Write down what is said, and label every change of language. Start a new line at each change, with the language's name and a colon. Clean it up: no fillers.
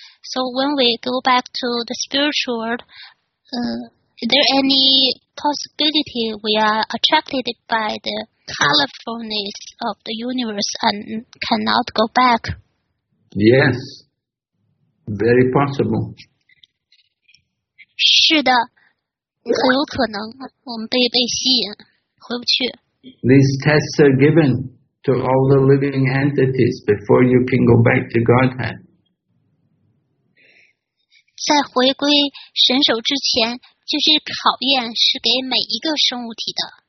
English: So when we go back to the spiritual world, is there any possibility we are attracted by the colorfulness of the universe and cannot go back? Yes, very possible.
Chinese: 是的，很有可能我们被吸引回不去。
English: These tests are given to all the living entities before you can go back to Godhead.
Chinese: 在回归神手之前，这些考验是给每一个生物体的。